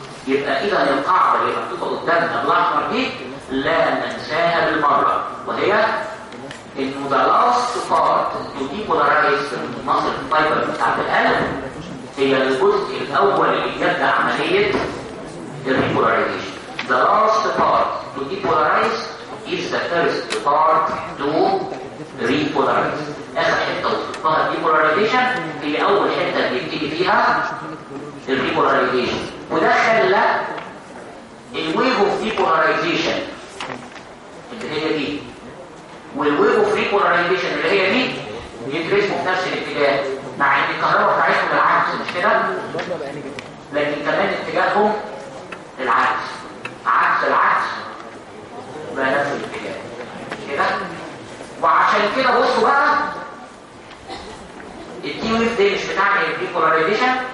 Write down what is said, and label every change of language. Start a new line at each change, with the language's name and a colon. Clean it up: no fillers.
Arabic: يبقى اذا القاعده اللي مكتوبه قدامنا بالاحمر دي لا ننساها بالمرة وهي انه
English: the last part to depolarize the muscle fiber
Arabic: بتاعت القلب هي الجزء الاول اللي بيبدا عمليه البولاريزيشن.
English: The last part to depolarize is the first part to repolarize.
Arabic: اخر حته وصفها depolarization هي اول حته اللي بتيجي فيها البولاريزيشن. وده خلى الويف اوف depolarization اللي هي دي والويف اوف repolarization اللي هي دي يترسموا في نفس الاتجاه مع ان الكهرباء بتاعتهم العكس مش كده؟ لكن كمان اتجاههم العكس عكس العكس يبقى نفس الاتجاه كده؟ وعشان كده بصوا بقى التي ويف دي مش بتعني البيبولاريزيشن